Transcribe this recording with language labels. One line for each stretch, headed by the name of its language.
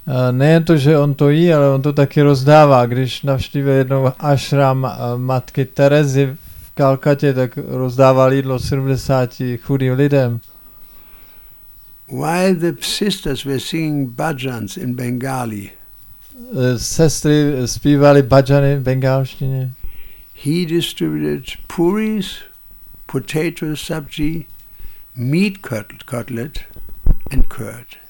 Czech: Nejen to, že on to jí, ale on to taky rozdává. Když navštívil jednou ašram matky Terezy v Kalkatě, tak rozdával jídlo 70 chudým lidem.
English: While the sisters were singing bhajans in Bengali.
Czech: Sestry zpívali bhajany v bengálštině.
English: He distributed puris, potato sabji, meat cutlet and curd.